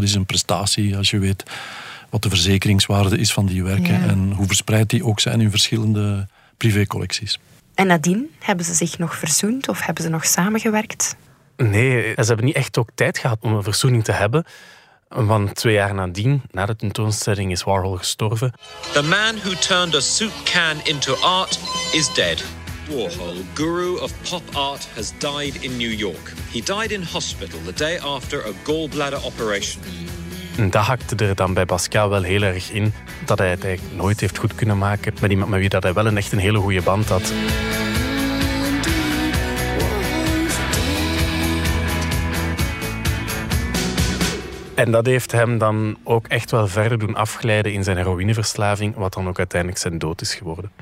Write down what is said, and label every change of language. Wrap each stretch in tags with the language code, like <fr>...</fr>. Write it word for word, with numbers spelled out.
<nl>Dat is een prestatie als je weet wat de verzekeringswaarde is van die werken ja. en hoe verspreid die ook zijn in verschillende privécollecties. En nadien, hebben ze zich nog verzoend of hebben ze nog samengewerkt? Nee, ze hebben niet echt ook tijd gehad om een verzoening te hebben. Want twee jaar nadien, na de tentoonstelling, is Warhol gestorven.</nl> <en>The man who turned a soup can into art is dead. Warhol, guru of pop art, has died in New York. He died in hospital the day after a gallbladder operation.</en> <nl>En dat hakte er dan bij Basquiat wel heel erg in, dat hij het eigenlijk nooit heeft goed kunnen maken met iemand met wie dat hij wel een echt een hele goede band had. En dat heeft hem dan ook echt wel verder doen afglijden in zijn heroïneverslaving, wat dan ook uiteindelijk zijn dood is geworden.</nl>